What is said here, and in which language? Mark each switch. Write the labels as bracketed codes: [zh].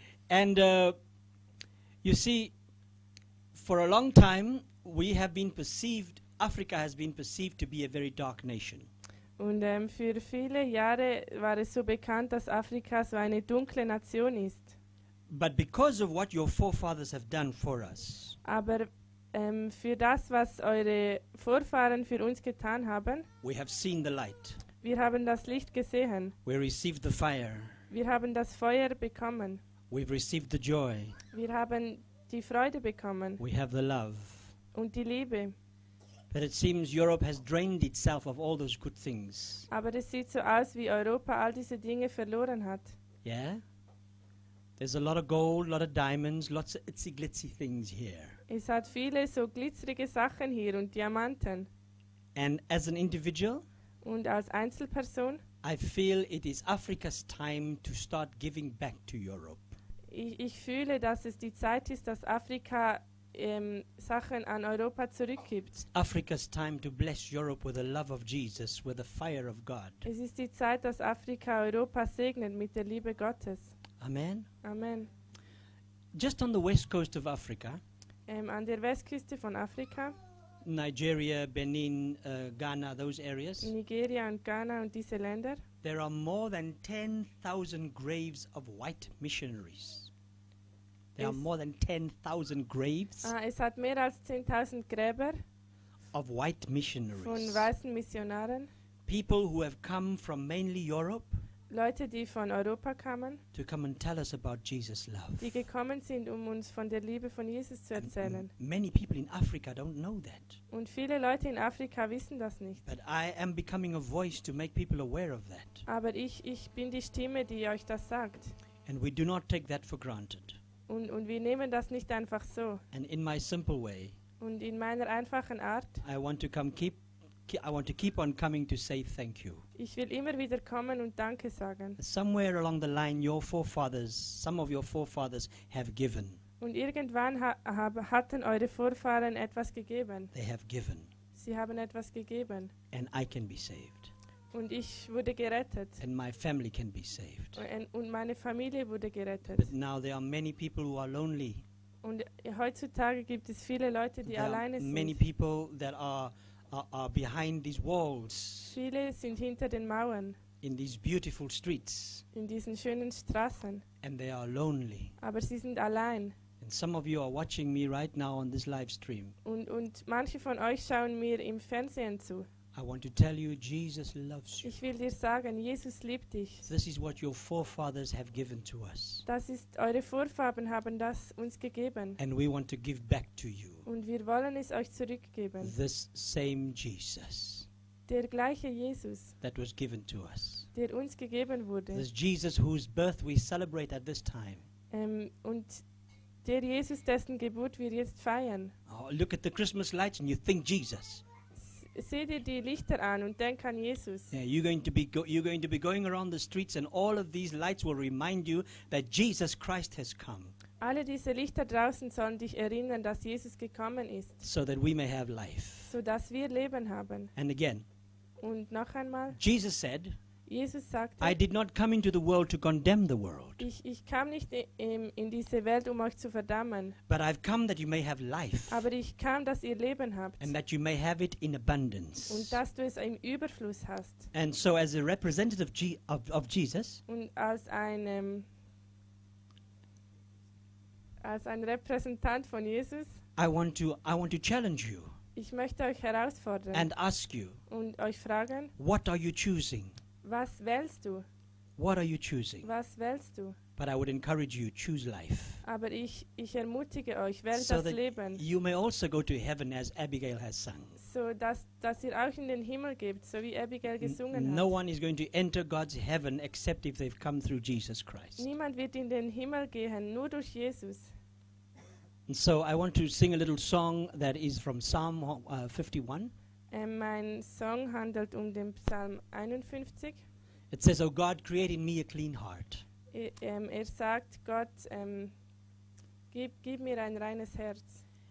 [en] And you see, for a long time, we have been perceived, Africa has been perceived to be a very dark nation. [de] Und für viele Jahre war es so bekannt, dass Afrika so eine dunkle Nation ist. [en] But because of what your forefathers have done for us. [de] Aber für das, was eure Vorfahren für uns getan haben. [en] We have seen the light. [de] Wir haben das Licht gesehen. [en] We received the fire. [de] Wir haben das Feuer bekommen. [en] We've received the joy. [de] Wir haben die Freude bekommen. [en] We have the love. [de] Und die Liebe. [en] But it seems Europe has drained itself of all those good things. [de] Aber es sieht so aus, wie Europa all diese Dinge verloren hat. [en] Yeah? There's a lot of gold, a lot of diamonds, lots of itsy glitzy things here. [de] Es hat viele so glitzerige Sachen hier und Diamanten. [en] And as an individual, [de] und als Einzelperson, [en] I feel it is Africa's time to start giving back to Europe. [de] Ich fühle, dass es die Zeit ist, dass Afrika Sachen an Europa zurückgibt. [en] It's Africa's time to bless Europe with the love of Jesus, with the fire of God. [de] Es ist die Zeit, dass Afrika Europa segnet mit der Liebe Gottes. [en] Amen. [de] Amen. [en] Just on the west coast of Africa. [de] An der Westküste von Afrika. [en] Nigeria, Benin, Ghana, those areas. [de] Nigeria und Ghana und diese Länder. [en] There are more than 10,000 graves of white missionaries. There are more than 10,000 graves. [de] Es hat mehr als 10,000 Gräber. [en] Of white missionaries. [de] Von weißen Missionaren. [en] People who have come from mainly Europe. [de] Leute, die von Europa kamen. [en] To come and tell us about Jesus' love. [de] Die gekommen sind, uns von der Liebe von Jesus zu erzählen. [en] And many people in Africa don't know that. [de] Und viele Leute in Afrika wissen das nicht. [en] But I am becoming a voice to make people aware of that. [de] Aber ich bin die Stimme, die euch das sagt. [en] And we do not take that for granted. [de] Und wir nehmen das nicht einfach so. [en] And in my simple way. [de] Und in meiner einfachen Art. [en] I want to keep on coming to say thank you. [de] Ich will immer wieder kommen und Danke sagen. [en] Somewhere along the line, your forefathers, some of your forefathers have given. [de] Und irgendwann hatten eure Vorfahren etwas gegeben. [en] They have given. [de] Sie haben etwas gegeben. [en] And I can be saved. [de] Und ich wurde gerettet. [en] And my family can be saved. [de] Und meine Familie wurde gerettet. [en] But now there are many people who are lonely. [de] Und heutzutage gibt es viele Leute, die alleine sind. [en] There are many people that are behind these walls. [de] Viele sind hinter den Mauern. [en] In these beautiful streets. [de] In diesen schönen Straßen. [en] And they are lonely. [de] Aber sie sind allein. [en] And some of you are watching me right now on this live stream. [de] Und manche von euch schauen mir im Fernsehen zu. [en] I want to tell you, Jesus loves you. [de] Ich will dir sagen, Jesus liebt dich. [en] This is what your forefathers have given to us. [de] Das ist, eure Vorfahren haben das uns gegeben. [en] And we want to give back to you. [de] Und wir wollen es euch zurückgeben. [en] This same Jesus. [de] Der gleiche Jesus, [en] that was given to us. [de] Der uns gegeben wurde. [en] This Jesus whose birth we celebrate at this time. [de] Und der Jesus, dessen Geburt wir jetzt feiern. [en] Oh, look at the Christmas lights and you think Jesus. [de] Seh dir die Lichter an und denk an Jesus. [en] Yeah, you're going to be going around the streets and all of these lights will remind you that Jesus Christ has come. [de] Alle diese Lichter draußen sollen dich erinnern, dass Jesus gekommen ist. [en] So that we may have life. [de] So dass wir Leben haben. [en] And again. [de] Und noch einmal. [en] Jesus said, [de] Jesus sagte, [en] I did not come into the world to condemn the world. [de] Ich kam nicht in diese Welt, um euch zu verdammen. [en] But I've come that you may have life. [de] Aber ich kam, dass ihr Leben habt. [en] And that you may have it in abundance. [de] Und dass du es im Überfluss hast. [en] And so as a representative of Jesus. [de] Und als ein Repräsentant von Jesus. [en] I want to challenge you. [de] Ich möchte euch herausfordern. [en] And ask you. [de] Und euch fragen. [en] What are you choosing? [de] Was wählst du? [en] What are you choosing? [de] Was wählst du? [en] But I would encourage you, choose life. [de] Aber ich ermutige euch, wähl so das Leben. [en] So that you may also go to heaven as Abigail has sung. [de] So dass ihr auch in den Himmel geht, so wie Abigail gesungen hat. [en] No one is going to enter God's heaven except if they've come through Jesus Christ. [de] Niemand wird in den Himmel gehen, nur durch Jesus. [en] And so I want to sing a little song that is from Psalm 51. [de] Mein Song handelt den Psalm 51. [en] It says, O God, create in me a clean heart. [de] Sagt, Gott, gib mir ein reines Herz.